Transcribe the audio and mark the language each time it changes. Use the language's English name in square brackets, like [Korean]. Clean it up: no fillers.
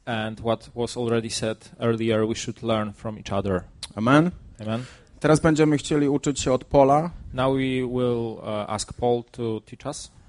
[English] And what was already said earlier, we should learn from each other. Amen. Amen. [Polish] Teraz będziemy chcieli uczyć się od Paula. [English] Now we will ask Paul to teach us.